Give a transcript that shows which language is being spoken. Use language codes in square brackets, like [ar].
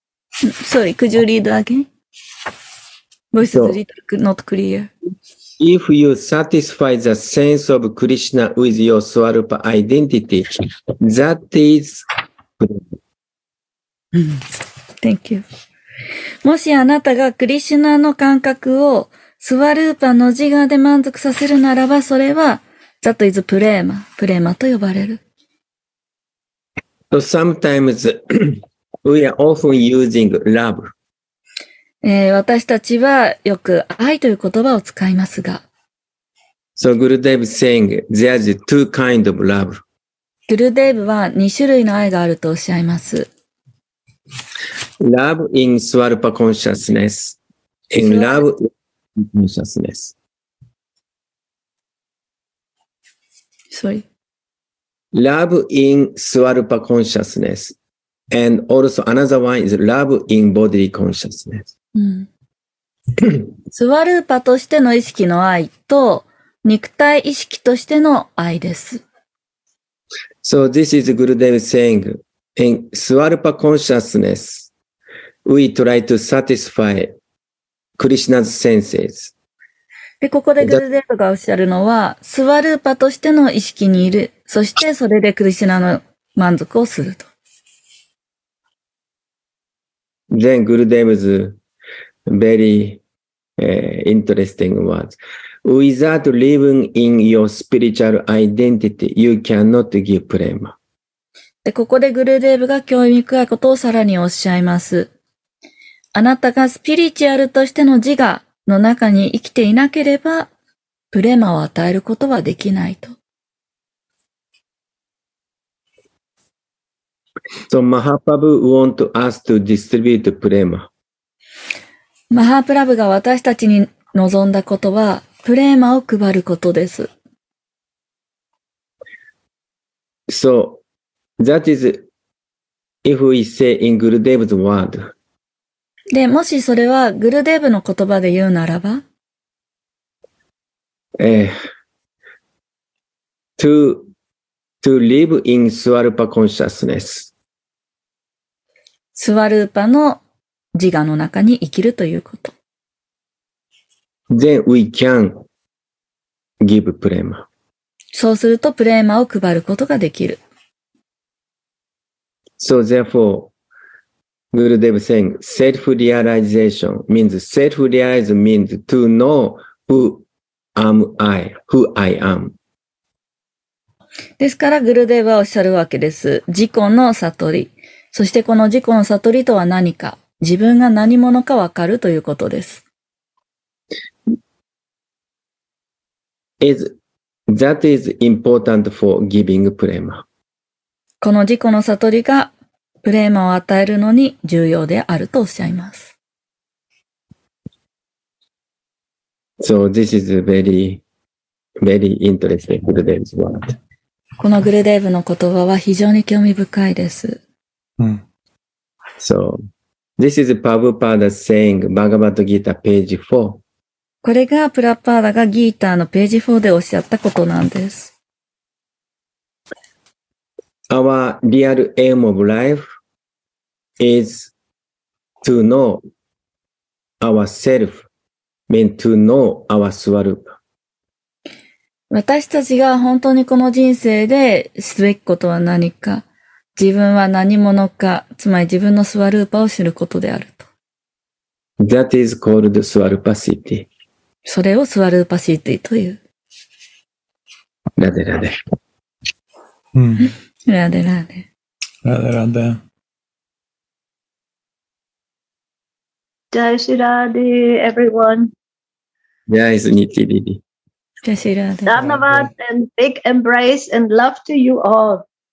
[en] Sorry, could you read again? Voice is not clear. If you satisfy the sense of Krishna with your Swarupa identity, that is Thank you. [ja] もしあなたがクリシュナの感覚をスワルーパの自我で満足させるならば、それは [en] That is Prema. [ja] Prema と呼ばれる。 [en] So sometimes we are often using love. [ja] 私たちはよく愛という言葉を使いますが。 [en] So Gurudev is saying there's two kind of love. [ja] Gurudev は2種類の愛があるとおっしゃいます。 [en] Love in Swarupa consciousness and love in consciousness. Sorry.Love in Swarupa consciousness and also another one is love in bodily consciousness. [ja] うん、スワルーパとしての意識の愛と肉体意識としての愛です。 [en] So this is Gurudev saying, in Swarupa consciousness, we try to satisfy Krishna's senses. [ja] で、ここでグルデーブがおっしゃるのは、スワルーパとしての意識にいる、そしてそれでクリシナの満足をすると。 [en] Then Gurudev'sVery, interesting words. Without living in your spiritual identity, you cannot give prema. [ja] で、ここでグルデーブが興味深いことをさらにおっしゃいます。あなたがスピリチュアルとしての自我の中に生きていなければ、プレマを与えることはできないと。 [en] So, Mahaprabhu want us to distribute prema. [ja] マハープラブが私たちに望んだことは、プレーマを配ることです。 [en] So, that is, if we say in Gurudev's word. [ja] で、もしそれはグルデーブの言葉で言うならば、 [en] to live in Svarupa consciousness. [ja] Svarupa の自我の中に生きるということ。 [en] Then we can give prema. [ja] そうするとプレーマを配ることができる。 [en] So therefore, Gurudev saying, self-realization means, self-realize means to know who am I, who I am. [ja] ですから、グルデヴはおっしゃるわけです。自己の悟り。そしてこの自己の悟りとは何か。自分が何者かわかるということです。 [en] Is, that is important for giving prema. [ja] この自己の悟りがプレーマを与えるのに重要であるとおっしゃいます。 [en] So this is very, very interesting Gurudev's word. [ja] このグルデーブの言葉は非常に興味深いです。うん、 [en] so this is Prabhupada saying Bhagavad Gita page 4. [ja] これがプラパーダがギーターのページ4でおっしゃったことなんです。 [en] Our real aim of life is to know ourself, mean to know our Svarupa. [ja] 私たちが本当にこの人生ですべきことは何か、自分は何者か、つまり自分のSvarupaを知ることであると。 [en] That is called Svarupa City. [ja] それをSvarupa Cityという。 [sa] ラデラデ。うん。ラデラデ。ラデラデ。ジャイシラデ、everyone。ジャイスニティリリ。ジャイシラデ。 [en] ダーナバーデ、and big embrace and love to you all.